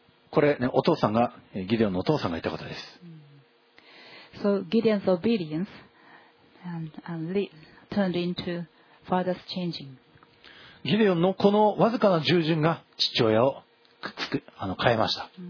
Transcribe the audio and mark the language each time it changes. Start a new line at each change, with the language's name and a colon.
Japanese: これね、お父さんがギデオンのお父さんが言ったことです。
English: So Gideon's obedience and turned into father's changing.
Japanese: ギデオンのこのわずかな従順が父親をくっつく変えました。